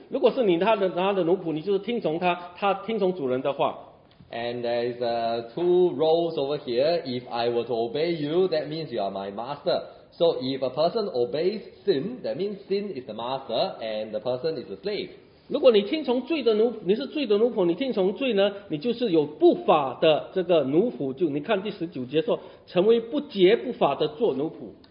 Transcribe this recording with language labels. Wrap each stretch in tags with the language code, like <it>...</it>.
<zh>如果是你他的奴仆，你就是听从他，他听从主人的话。</zh> <en>And there's two roles over here. If I were to obey you, that means you are my master. So if a person obeys sin, that means sin is the master and the person is the slave.</en> <zh>如果你听从罪的奴仆，你是罪的奴仆，你听从罪呢，你就是有不法的这个奴仆。就你看第十九节说，成为不洁不法的做奴仆。</zh>